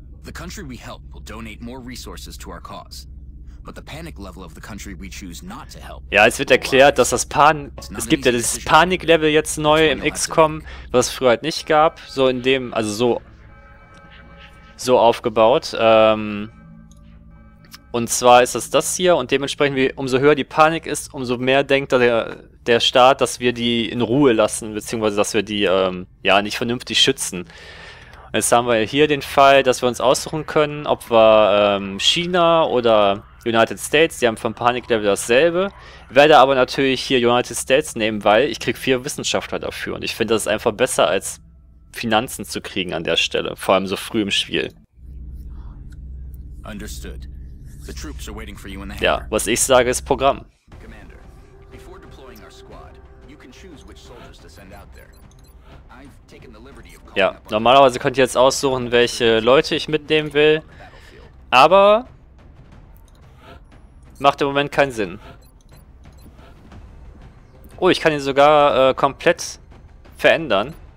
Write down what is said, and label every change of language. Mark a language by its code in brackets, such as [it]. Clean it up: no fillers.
[en] The country we help will donate more resources to our cause. But the panic level of the country we choose not to help. [de] Ja, es wird erklärt, dass es gibt ja dieses Panik-Level jetzt neu im XCOM, was es früher halt nicht gab. So in dem, also so. So aufgebaut. Und zwar ist das das hier und dementsprechend, umso höher die Panik ist, umso mehr denkt der Staat, dass wir die in Ruhe lassen, beziehungsweise dass wir die ja nicht vernünftig schützen. Jetzt haben wir hier den Fall, dass wir uns aussuchen können, ob wir China oder United States, die haben vom Panik-Level dasselbe. Werde aber natürlich hier United States nehmen, weil ich kriege 4 Wissenschaftler dafür und ich finde, das ist einfach besser als Finanzen zu kriegen an der Stelle, vor allem so früh im Spiel. [en] Understood. The troops are waiting for you in the [de] hangar. Ja, was ich sage, ist Programm. [en] Commander, before deploying our squad, you can choose which soldiers to send out there. I've taken the liberty of calling. [de] Ja, normalerweise könnt ihr jetzt aussuchen, welche Leute ich mitnehmen will, aber macht im Moment keinen Sinn. Oh, ich kann ihn sogar komplett verändern.